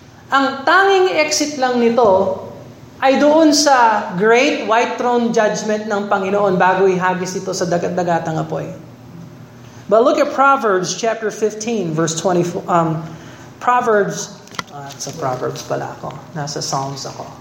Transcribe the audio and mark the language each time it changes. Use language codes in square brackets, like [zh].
[tl] Ang tanging exit lang nito ay doon sa Great White Throne Judgment ng Panginoon bago ihagis ito sa dagat-dagatang apoy. [en] But look at Proverbs chapter 15, verse 24. [tl] Proverbs, sa Proverbs pala ako, nasa Psalms ako.